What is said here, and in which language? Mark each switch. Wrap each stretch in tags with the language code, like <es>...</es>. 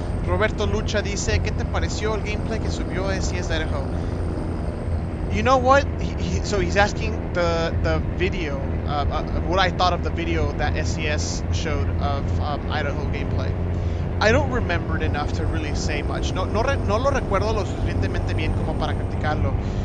<es>Roberto Lucha dice, ¿qué te pareció el gameplay que subió ATS Idaho?</es> <en>You know what? So he's asking the video, what I thought of the video that ATS showed of Idaho gameplay. I don't remember it enough to really say much.</en> <es>No, lo recuerdo lo suficientemente bien como para criticarlo.</es>